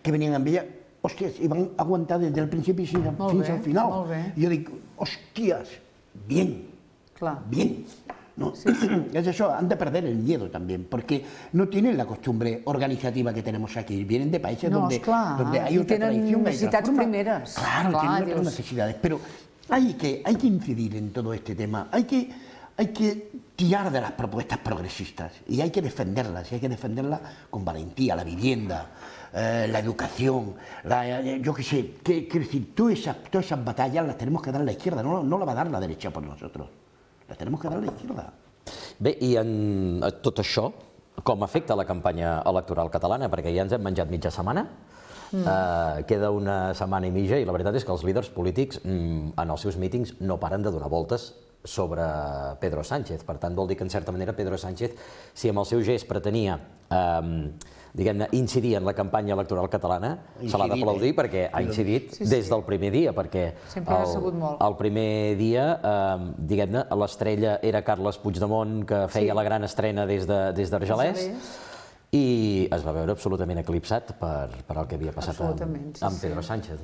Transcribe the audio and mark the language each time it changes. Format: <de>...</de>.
<ca>Que venien amb ella, hòsties, i van aguantar des del principi fins al final. I jo dic, hòsties,</ca> <es>bien,</es> <ca>clar.</ca> <es>Bien. No? Sí, sí.</es> <ca>És això, han de perdre</ca> <es>el miedo</es> <ca>també, perquè no tenen</ca> <es>la costumbre</es> <ca>organitzativa que tenim aquí,</ca> <es>vienen</es> <ca>de països on hi ha una tradició. Tenen necessitats primeres.</ca> <es>Claro,</es> <ca>clar, tenen altres necessitats, però</ca> <es>hay que incidir</es> <ca>en tot aquest tema,</ca> <es>hay que tirar de las propuestas progresistas y hay que defenderlas, y hay que defenderlas con valentía, la vivienda, la educación, yo qué sé, quiero decir, todas esas batallas las tenemos que dar a la izquierda, no la va a dar la derecha por nosotros, las tenemos que dar a la izquierda.</es> <ca>Bé, i en tot això, com afecta la campanya electoral catalana? Perquè ja ens hem menjat mitja setmana. Queda una setmana i mitja i la veritat és que els líders polítics en els seus mítings no paren de donar voltes sobre Pedro Sánchez. Per tant, vol dir que, en certa manera, Pedro Sánchez, si amb el seu gest pretenia diguem-ne, incidir en la campanya electoral catalana, incidir, se l'ha d'aplaudir perquè ha incidit des del primer dia, perquè el primer dia, diguem-ne, l'estrella era Carles Puigdemont, que feia la gran estrena des d'Argelès, i es va veure absolutament eclipsat per el que havia passat amb Pedro Sánchez.</ca>